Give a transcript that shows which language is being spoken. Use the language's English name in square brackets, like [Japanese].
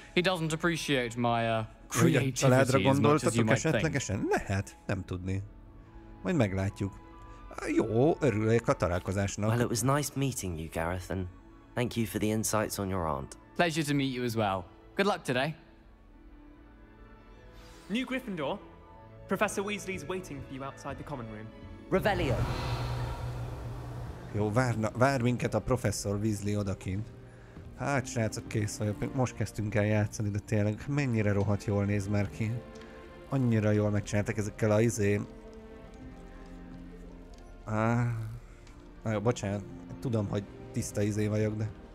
[English] He doesn't appreciate my creativity as much as you might think. [Hungarian] Esetlegesen? Lehet, nem tudni. Majd meglátjuk. Jó, örülök a találkozásnak. [English] Well, it was nice meeting you, Gareth, and thank you for the insights on your aunt. Pleasure to meet you as well. Good luck today. New Gryffindor. Professor Weasley's waiting for you outside the common room. Revelio. [Hungarian] Jó, vár minket a professzor Weasley odakint. Hát, srácok, kész vagyok. Most kezdtünk el játszani, de tényleg mennyire rohadt jól néz már ki. Annyira jól megcsináltak ezekkel a izé... Na jó, bocsánat. Tudom, hogy tiszta izé vagyok, de...